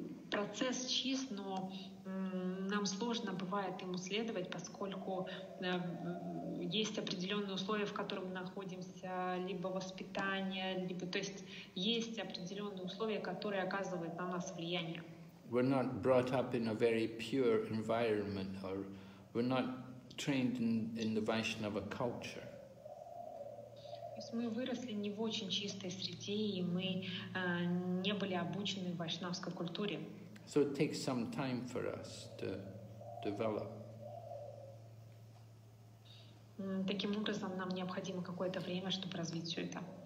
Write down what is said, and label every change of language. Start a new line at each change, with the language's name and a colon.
Russian: Процесс чист, но нам сложно бывает ему следовать, поскольку есть определенные условия, в которых мы находимся, либо воспитание, либо, то есть есть определенные условия, которые оказывают на нас влияние.
English: We're not brought up in a very pure environment, or we're not trained in the Vaishnava culture.
Russian: Мы выросли не в очень чистой среде, и мы не были обучены в вайшнавской культуре.
English: So it takes some time for us to develop.
Russian: Таким образом, нам необходимо какое-то время, чтобы развить все это.